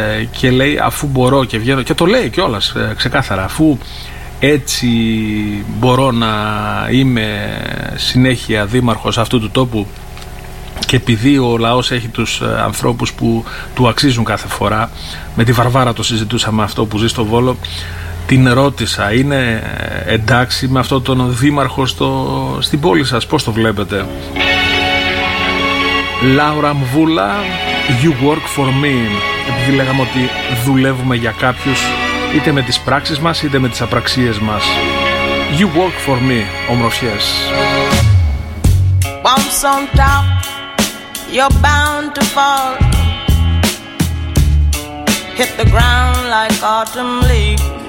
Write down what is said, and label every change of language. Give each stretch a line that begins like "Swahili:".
Greek: και λέει, αφού μπορώ και βγαίνω, και το λέει κιόλας ξεκάθαρα, αφού έτσι μπορώ να είμαι συνέχεια δήμαρχος αυτού του τόπου και επειδή ο λαός έχει τους ανθρώπους που του αξίζουν κάθε φορά, με τη Βαρβάρα το συζητούσαμε αυτό που ζει στο Βόλο, την ρώτησα, είναι εντάξει με αυτόν τον δήμαρχο στην πόλη σας, πώς το βλέπετε? Λάουρα Μβούλα, You Work For Me. Επειδή λέγαμε ότι δουλεύουμε για κάποιους, είτε με τις πράξεις μας, είτε με τις απραξίες μας.
English: You work for me,
Greek: ομορφιές.
English: Once on top, you're bound to fall. Hit the ground like autumn leaves.